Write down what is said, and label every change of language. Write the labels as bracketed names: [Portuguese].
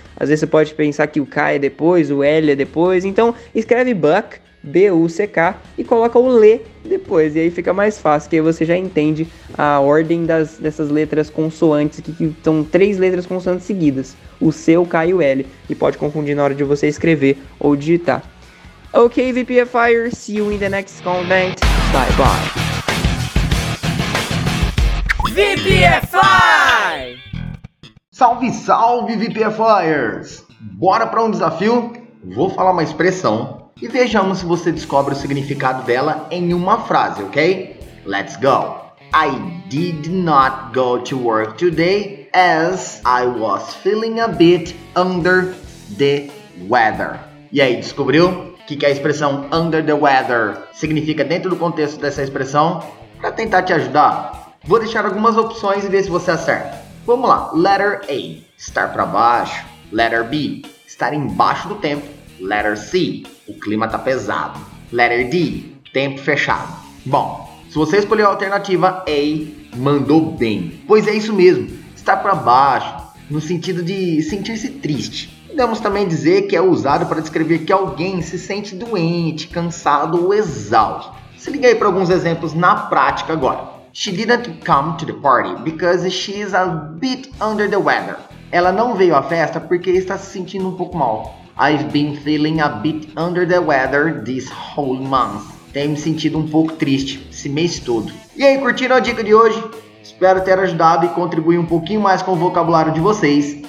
[Portuguese] Às vezes você pode pensar que o K é depois, o L é depois, então escreve buck, B-U-C-K, e coloca o L depois, e aí fica mais fácil, que aí você já entende a ordem dessas letras consoantes aqui, que são 3 letras consoantes seguidas, o C, o K e o L, e pode confundir na hora de você escrever ou digitar. [English] Ok, VPFire, see you in the next comment, bye bye! VPFire! [Portuguese] Salve, salve, VPFires! Bora pra um desafio? Vou falar uma expressão. E vejamos se você descobre o significado dela em uma frase, ok? [English] Let's go! I did not go to work today as I was feeling a bit under the weather. [Portuguese] E aí, descobriu o que a expressão under the weather significa dentro do contexto dessa expressão? Pra tentar te ajudar, vou deixar algumas opções e ver se você acerta. Vamos lá, letter A, estar para baixo, letter B, estar embaixo do tempo, letter C, o clima tá pesado, letter D, tempo fechado. Bom, se você escolheu a alternativa A, mandou bem, pois é isso mesmo, estar para baixo, no sentido de sentir-se triste. Podemos também dizer que é usado para descrever que alguém se sente doente, cansado ou exausto. Se liga aí para alguns exemplos na prática agora. [English] She didn't come to the party because she's a bit under the weather. [Portuguese] Ela não veio à festa porque está se sentindo um pouco mal. [English] I've been feeling a bit under the weather this whole month. [Portuguese] Tenho me sentido um pouco triste esse mês todo. E aí, curtiram a dica de hoje? Espero ter ajudado e contribuir um pouquinho mais com o vocabulário de vocês.